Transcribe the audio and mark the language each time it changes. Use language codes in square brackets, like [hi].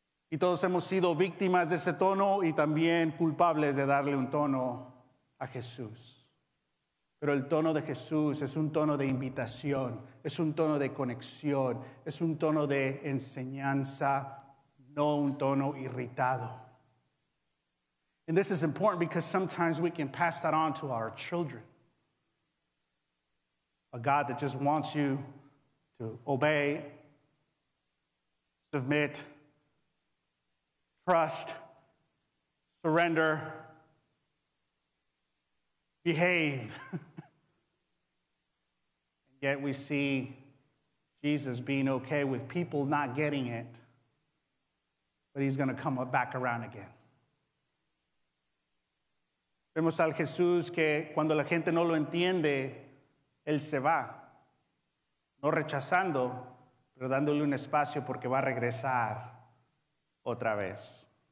[es] Y todos hemos sido víctimas de ese tono y también culpables de darle un tono a Jesús. Pero el tono de Jesús es un tono de invitación, es un tono de conexión, es un tono de enseñanza, no un tono irritado. [en] And this is important because sometimes we can pass that on to our children. A God that just wants you to obey, submit, trust, surrender, behave. And yet we see Jesus being okay with people not getting it, but he's going to come back around again. [es] Vemos al Jesús que cuando la gente no lo entiende, Él se va, no rechazando, pero dándole un espacio porque va a regresar otra vez.